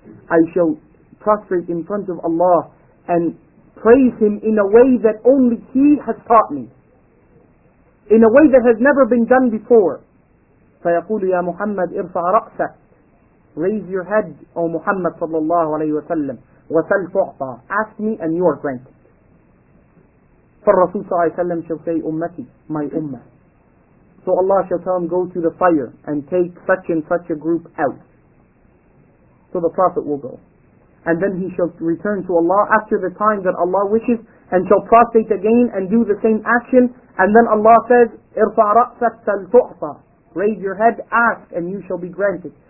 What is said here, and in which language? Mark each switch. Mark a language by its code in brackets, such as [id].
[en] I shall prostrate in front of Allah and praise him in a way that only he has taught me. In a way that has never been done before. [ar] فَيَقُولُ يَا مُحَمَّدِ ارفع رأسك. [en] Raise your head, O Muhammad sallallahu alayhi wa sallam. [ar] وَسَلْ تُعْطَى. [en] Ask me and you are granted. [ar] فَالرَّسُولُ صلى الله عليه وسلم [en] shall say, [ar] أُمَّتِي, [en] my ummah. So Allah shall tell him, go to the fire and take such and such a group out. So the Prophet will go. and then he shall return to Allah after the time that Allah wishes, and shall prostrate again and do the same action. And then Allah says, [ar] اِرْفَعْ رَأْسَكْ فَلْتُعْفَى. [en] Raise your head, ask, and you shall be granted.